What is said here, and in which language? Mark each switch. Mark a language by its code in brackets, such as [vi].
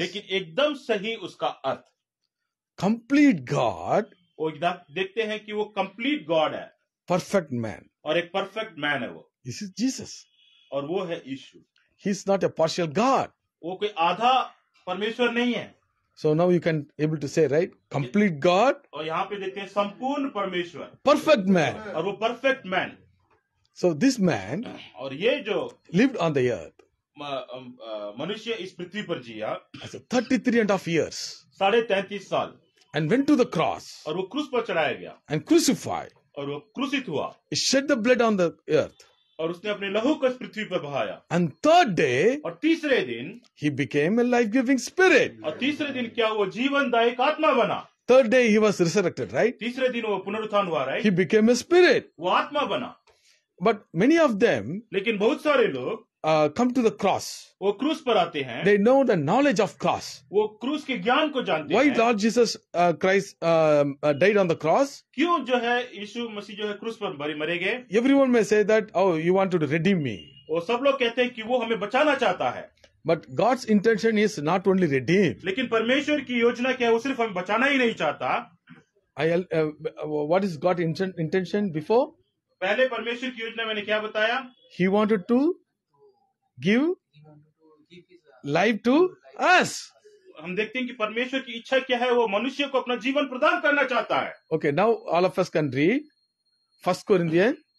[hi] लेकिन एकदम सही उसका अर्थ. [en] Complete God. [hi] वो एकदम देखते हैं कि वो [en] complete God [hi] है. [en] Perfect man. [hi] और एक [en] perfect man [hi] है वो. [en] This is Jesus. [hi] और वो है यीशु. [en] He is not a partial God. [hi] वो कोई आधा परमेश्वर नहीं है. [en] So now you can able to say right, complete God. [hi] और यहाँ पे देखते हैं संपूर्ण परमेश्वर. [en] Perfect man. [hi] और वो [en] perfect man. So this man. [hi] और ये जो [en] lived on the earth. [hi] मनुष्य इस पृथ्वी पर जिया. [en] ऐसे 33.5 years. [hi] 33.5 साल. [en] And went to the cross. [hi] और वो क्रूस पर चढ़ाया गया. [en] And crucified. [hi] और वो क्रूसित हुआ. [en] He shed the blood on the earth. [hi] और उसने अपने लहू को इस पृथ्वी पर बहाया. [en] And third day, [hi] और तीसरे दिन [en] he became a life-giving spirit. [hi] और तीसरे दिन क्या वो जीवनदायक आत्मा बना. [en] Third day he was resurrected, right? [hi] तीसरे दिन वो पुनरुत्थान हुआ, right? [en] He became a spirit. [hi] वो आत्मा बना. [en] But many of them, [hi] लेकिन बहुत सारे लोग [en] come to the cross. [hi] वो क्रूस पर आते हैं. [en] They know the knowledge of cross. [hi] वो क्रूस के ज्ञान को जानते हैं. [en] Why Lord Jesus Christ died on the cross? [hi] क्यों जो है यीशु मसीह जो है क्रूस पर मरे गए? [en] Everyone may say that, oh, you wanted to redeem me. [hi] वो सब लोग कहते हैं कि वो हमें बचाना चाहता है. [en] But God's intention is not only redeem. [hi] लेकिन परमेश्वर की योजना क्या है? वो सिर्फ हमें बचाना ही नहीं चाहता. [en] What is God's intention before? [hi] पहले परमेश्वर की योजना मैंने क्या बताया? [en] He wanted to give life to us. [hi] हम देखते हैं कि परमेश्वर की इच्छा क्या है. वो मनुष्य को अपना जीवन प्रदान करना चाहता है. [en] Okay. Now all of us can read 1 Corinthians.